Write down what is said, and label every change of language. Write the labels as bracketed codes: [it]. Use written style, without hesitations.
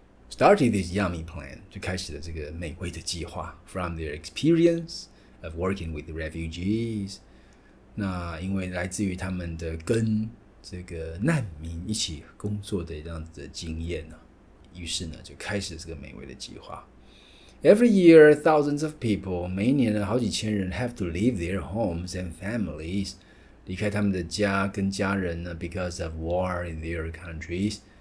[en] Started this yummy plan, [zh] 就开始了这个美味的计划 [en] from their experience of working with refugees. [zh] 那因为来自于他们的跟这个难民一起工作的这样子的经验呢，于是呢就开始了这个美味的计划。 [en] Every year, thousands of people, [zh] 每一年呢好几千人 [en] have to leave their homes and families, [zh] 离开他们的家跟家人呢 [en] because of war in their countries.